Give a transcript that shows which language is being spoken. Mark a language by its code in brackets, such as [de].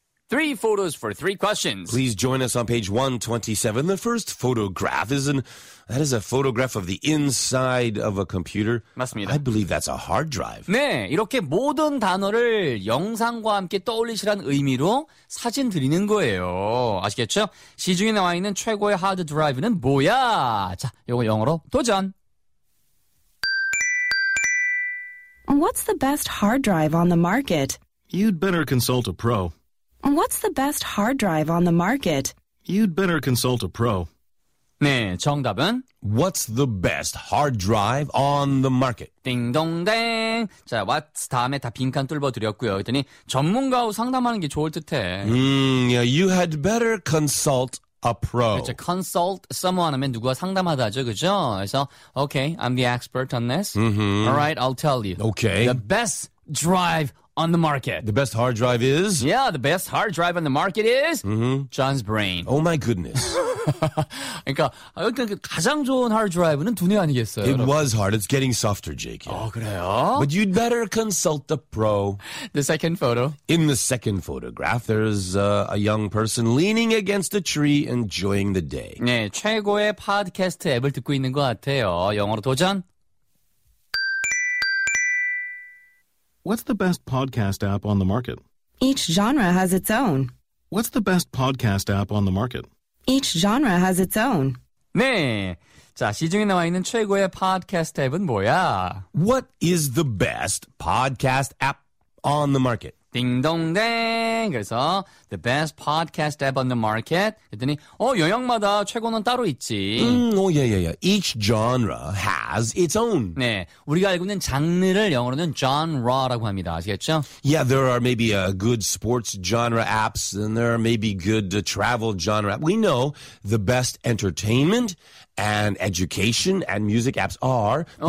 [en] Three photos for three questions. Please join us on page 127. The first photograph is a photograph of the inside of a computer. [ko] 맞습니다. [en] I believe that's a hard drive. [ko] 네, 이렇게 모든 단어를 영상과 함께 떠올리시라는 의미로 사진 드리는 거예요. 아시겠죠? 시중에 나와 있는 최고의 하드 드라이브는 뭐야? 자, 요거 영어로 도전. [en] What's the best hard drive on the market? You'd better consult a pro. What's the best hard drive on the market? You'd better consult a pro. [ko] 네, 정답은 [en] What's the best hard drive on the market? [ko] 띵동댕. 자, what's 다음에 다 빈칸 뚫어드렸고요. 그랬더니 전문가하고 상담하는 게 좋을 듯해. [en] Yeah, you had better consult a pro. [ko] 그렇죠. [en] Consult someone [ko] 하면 누구와 상담하다죠. 그죠? 그래서 [en] okay, I'm the expert on this. Mm-hmm. All right, I'll tell you. Okay. The best drive on the market. The best hard drive is? Yeah, the best hard drive on the market is John's brain. Oh my goodness. [ko] 그러니까 가장 좋은 hard drive는 두뇌 아니겠어요? [en] It was hard. It's getting softer, Jake. [ko] 아, 그래요? [en] But you'd better consult the pro. The second photo. In the second photograph, there's a young person leaning against a tree enjoying the day. [ko] 네, 최고의 팟캐스트 앱을 듣고 있는 것 같아요. 영어로 도전. [en] What's the best podcast app on the market? Each genre has its own. What's the best podcast app on the market? Each genre has its own. [ko] 네. 자, 시중에 나와 있는 최고의 팟캐스트 앱은 뭐야? [en] What is the best podcast app on the market? [ko] 딩동댕. 그래서 [en] the best podcast app on the market. [ko] 그랬더니 영역마다 최고는 따로 있지. [en] Each genre has its own. [ko] 네. 우리가 알고 있는 장르를 영어로는 genre라고 합니다. 아시겠죠? [en] Yeah, there are maybe good sports genre apps and there may be good travel genre apps. We know the best entertainment and education and music apps are